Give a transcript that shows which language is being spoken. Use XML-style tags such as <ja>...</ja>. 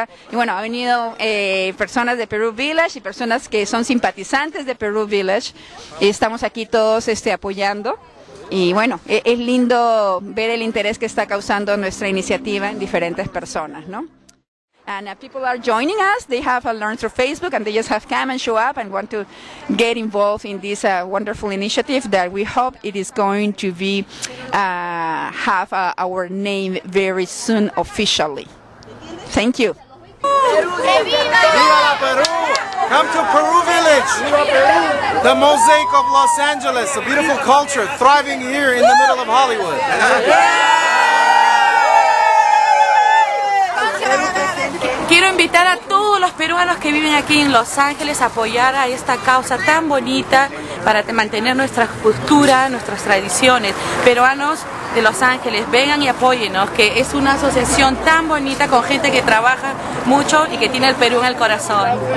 <es>Y bueno, ha venido personas de Peru Village y personas que son simpatizantes de Peru Village, y estamos aquí todos apoyando. Y bueno, es lindo ver el interés que está causando nuestra iniciativa en diferentes personas, ¿no?</es> <en>And people are joining us. They have learned through Facebook, and they just have come and show up and want to get involved in this wonderful initiative that we hope it is going to be have our name very soon officially. Thank you.</en> <es>Viva Peru!</es> <en>Come to Peru Village, the mosaic of Los Angeles, a beautiful culture thriving here in the middle of Hollywood.</en> <es>Quiero invitar a todos los peruanos que viven aquí en Los Ángeles a apoyar a esta causa tan bonita para mantener nuestra cultura, nuestras tradiciones. Peruanos de Los Ángeles, vengan y apóyennos, que es una asociación tan bonita con gente que trabaja mucho y que tiene el Perú en el corazón.</es>